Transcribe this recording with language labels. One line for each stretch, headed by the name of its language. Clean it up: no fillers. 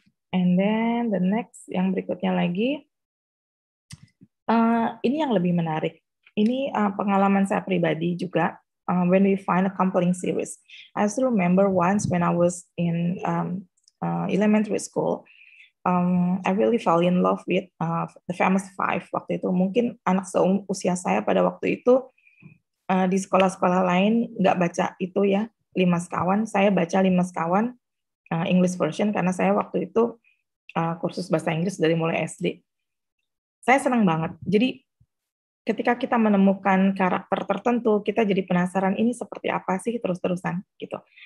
English: And then the next,
Indonesian: yang berikutnya lagi, ini yang lebih menarik. Ini pengalaman saya pribadi juga,
English: when we find a compelling series. I still remember once when I was in elementary school, I really fell in love with The Famous Five
Indonesian: waktu itu. Mungkin anak seusia saya pada waktu itu di sekolah-sekolah lain nggak baca itu ya, Lima Sekawan. Saya baca Lima Sekawan English version karena saya waktu itu kursus bahasa Inggris dari mulai SD. Saya senang banget. Jadi, ketika kita menemukan karakter tertentu, kita jadi penasaran ini seperti apa sih terus-terusan gitu.